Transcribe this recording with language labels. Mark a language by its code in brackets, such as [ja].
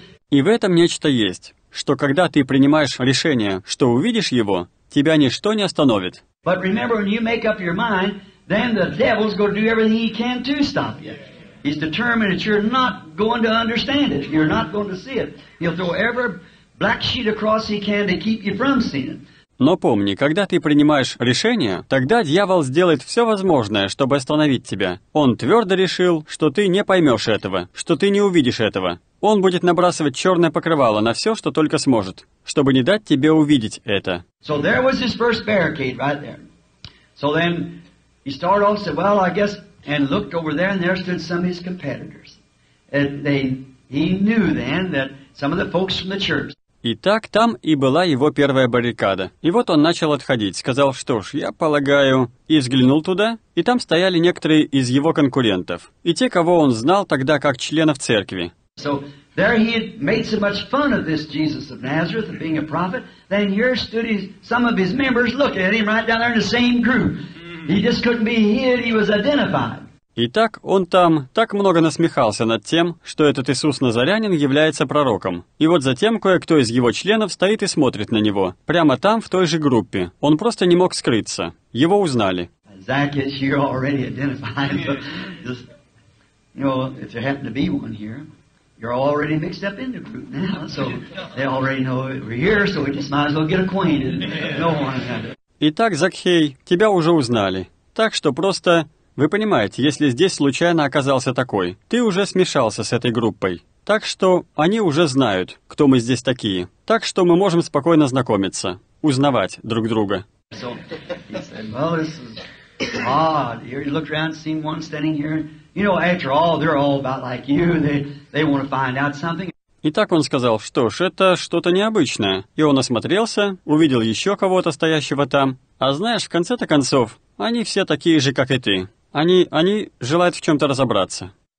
[ru] И в этом нечто есть, что когда ты принимаешь решение, что увидишь его, тебя ничто не остановит. [en] But remember, when you make up your mind, then the devil's going to do everything he can to stop you. He's determined that you're not going to understand it. You're not going to see it. He'll throw every black sheet across he can to keep you from seeing it. [ru] Но помни, когда ты принимаешь решение, тогда дьявол сделает все возможное, чтобы остановить тебя. Он твердо решил, что ты не поймешь этого, что ты не увидишь этого. Он будет набрасывать черное покрывало на все, что только сможет, чтобы не дать тебе увидеть это. [en] So there was his first barricade right there. So then he started off, said, well, I guess, and looked over there, and there stood some of his competitors. And he knew then that some of the folks from the church. [ru] Итак, там и была его первая баррикада. И вот он начал отходить, сказал, что ж, я полагаю, и взглянул туда, и там стояли некоторые из его конкурентов, и те, кого он знал тогда как членов церкви. [en] So there he had made so much fun of this Jesus of Nazareth of being a prophet, then here stood some of his members looking at him right down there in the same group. He just couldn't be hid, he was identified. [ru] Итак, он там так много насмехался над тем, что этот Иисус Назарянин является пророком. И вот затем кое-кто из его членов стоит и смотрит на него, прямо там, в той же группе. Он просто не мог скрыться. Его узнали. [en] Zacchaeus, you're already identified. Just, you know, if there happened to be one here, you're already mixed up in the group now. So they already know we're here, so we just might as well get acquainted. No one another. [ru] Итак, Закхей, тебя уже узнали. Так что просто... Вы понимаете, если здесь случайно оказался такой, ты уже смешался с этой группой. Так что они уже знают, кто мы здесь такие. Так что мы можем спокойно знакомиться, узнавать друг друга. [en] So, he said, well, this is odd. Here he looked around and seen one standing here. You know, after all, they're all about like you. They want to find out something. [ru] И так он сказал, что ж, это что-то необычное. И он осмотрелся, увидел еще кого-то стоящего там. А знаешь, в конце-то концов, они все такие же, как и ты. Они желают в чем-то разобраться.